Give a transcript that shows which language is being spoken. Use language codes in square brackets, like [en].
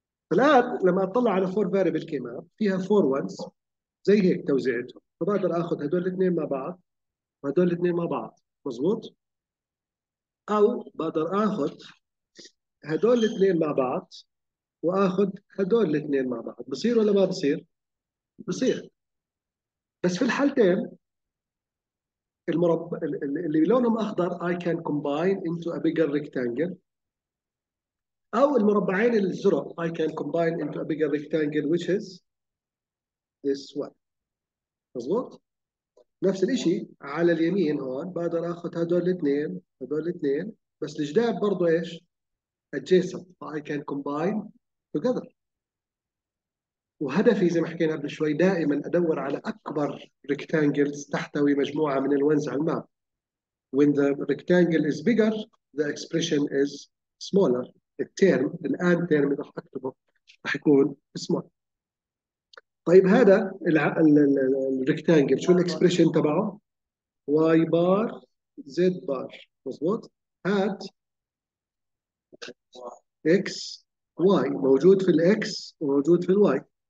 [ar] فالان لما اطلع على فور فاريبل كمان فيها فور وانز زي هيك توزيعتهم، فبقدر اخذ هذول الاثنين مع بعض وهذول الاثنين مع بعض، مزبوط؟ او بقدر اخذ هذول الاثنين مع بعض واخذ هذول الاثنين مع بعض، بصير ولا ما بصير؟ بصير. بس في الحالتين المربع اللي لونهم اخضر [en] I can combine into a bigger rectangle، [ar] او المربعين الزرق [en] I can combine into a bigger rectangle which is this one. [ar] مظبوط؟ نفس الشيء على اليمين هون بقدر اخذ هذول الاثنين هذول الاثنين، بس الجداب برضه ايش؟ adjacent [en] I can combine together. [ar] وهدفي زي ما حكينا قبل شوي دائما ادور على اكبر ريكتانجلز تحتوي مجموعه من الونز على الماب. [en] When the rectangle is bigger, the expression is smaller. [ar] الترم الان ترم اللي راح اكتبه راح يكون سمول. طيب هذا الريكتانجل شو الاكسبريشن تبعه؟ واي بار زد بار، مضبوط؟ هات اكس واي، موجود في الاكس وموجود في الواي.